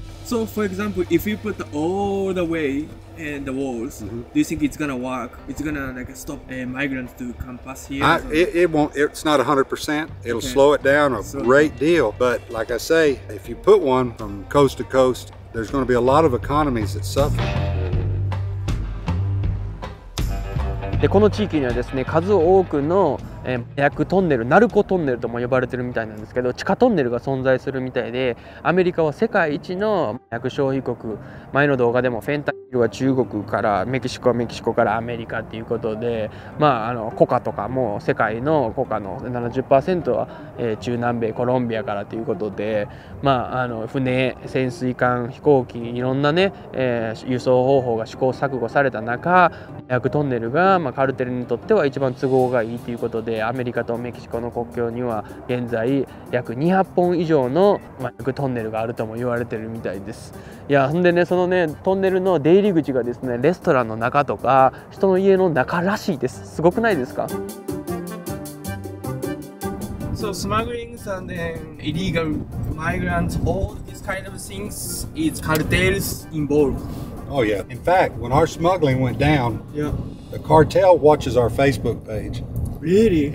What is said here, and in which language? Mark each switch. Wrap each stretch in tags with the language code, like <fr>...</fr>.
<en>So, for example, if you put all the way in the walls, mm-hmm. do you think it's gonna work? It's gonna like stop a migrant to come past here? It won't. It's not 100%. It'll okay. slow it down a so, great deal. But like I say, if you put one from coast to coast, there's gonna be a lot of economies that suffer.</en> <ja>でこの地域にはですね、数多くの麻薬トンネル、ナルコトンネルとも呼ばれてるみたいなんですけど、地下トンネルが存在するみたいで、アメリカは世界一の麻薬消費国。前の動画でもフェンタニルは中国から、メキシコはメキシコからアメリカっていうことで、まあ、あのコカとかも世界のコカの 70% は中南米コロンビアからということで、まあ、あの船、潜水艦、飛行機、いろんなね、輸送方法が試行錯誤された中、麻薬トンネルが、まあ、カルテルにとっては一番都合がいいということで、アメリカとメキシコの国境には現在約200本以上の麻薬トンネルがあるとも言われてるみたいです。いや、ほんでね、そのね、トンネルの出入り口がですね、レストランの中とか人の家の中らしいです。すごくないですか？</ja> <en>So smuggling and then illegal migrants, all these kind of things is cartels involved. Oh yeah, in fact when our smuggling went down, the cartel watches our Facebook page Really?</en>